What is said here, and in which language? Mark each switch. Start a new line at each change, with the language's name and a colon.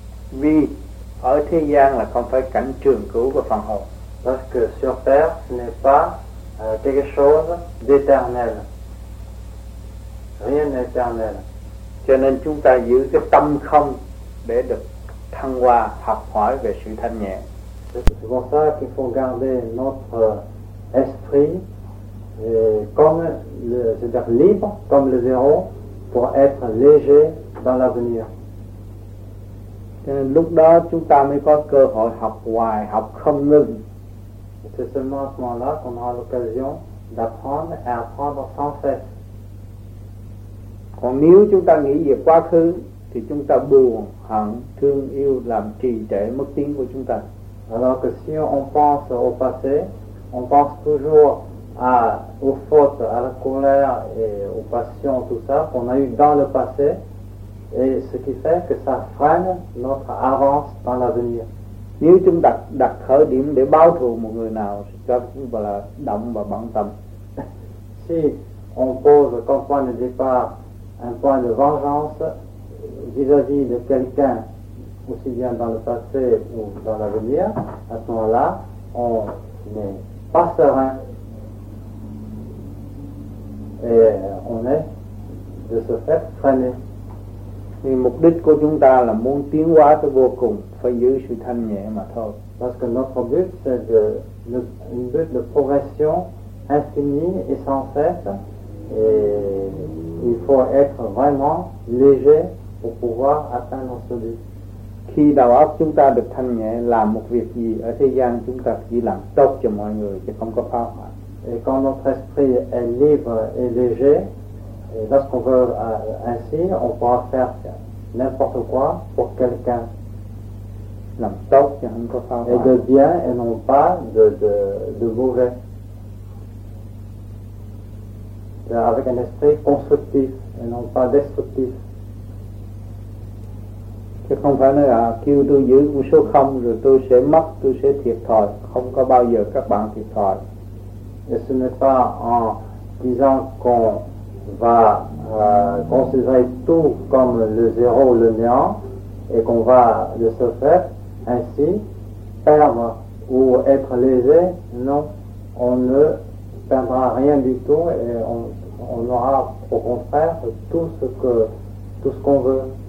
Vietnamese: Vì ở thế gian là không phải cảnh trường cửu của phàm hồ.
French: Parce que sur terre ce n'est pas quelque chose d'éternel. Rien d'éternel.
Vietnamese: Cho nên chúng ta giữ cái tâm không để được thăng hoa, học hỏi về sự thanh nhẹ.
French: C'est pour ça qu'il faut garder notre esprit comme le, c'est-à-dire libre comme le zéro pour être léger dans l'avenir.
Vietnamese: Cho nên lúc đó chúng ta mới có cơ hội học hoài, học không ngừng.
French: C'est seulement à ce moment-là qu'on aura l'occasion d'apprendre et apprendre sans cesse.
Vietnamese: Còn nếu chúng ta nghĩ về quá khứ thì chúng ta buồn, hận, thương yêu làm trì trệ mất tiếng của chúng ta.
French: Alors que si on pense au passé, on pense toujours à, aux fautes, à la colère et aux passions, tout ça qu'on a eu dans le passé, et ce qui fait que ça freine notre avance dans l'avenir.
Vietnamese: Nếu chúng ta đặt khởi điểm để báo thù một người nào thì chắc cũng gọi là động và bận tâm.
French: Si on pose comme point de départ un point de vengeance vis-à-vis de quelqu'un, aussi bien dans le passé ou dans l'avenir, à ce moment-là, on n'est pas serein et on est de ce fait freiné.
Vietnamese: Mais mục đích của chúng ta là muốn tiến hóa tới vô cùng, phải giữ sự thanh nhẹ mà thôi.
French: Parce que notre but c'est de un but de progression infinie et sans cesse. Et il faut être vraiment léger pour pouvoir atteindre l'absolu.
Vietnamese: Khi đầu óc chúng ta được thanh nhẹ, làm một việc gì ở thế gian chúng ta chỉ làm tốt cho mọi người chứ không có phá hoại.
French: Et quand notre esprit est libre et léger, et lorsqu'on veut ainsi, on pourra faire n'importe quoi pour quelqu'un.
Vietnamese: Làm tốt chứ không có phá hoại.
French: Et de bien et non pas de mauvais. Avec un esprit constructif et non pas destructif.
Vietnamese: Chứ không phải nói là kêu tôi giữ một số không rồi tôi sẽ mất, tôi sẽ thiệt thòi. Không có bao giờ các bạn thiệt thòi.
French: Et ce n'est pas en disant qu'on va considérer tout comme le zéro ou le néant et qu'on va de ce fait ainsi perdre ou être léger. Non, on ne perdra rien du tout et on aura au contraire tout ce qu'on veut.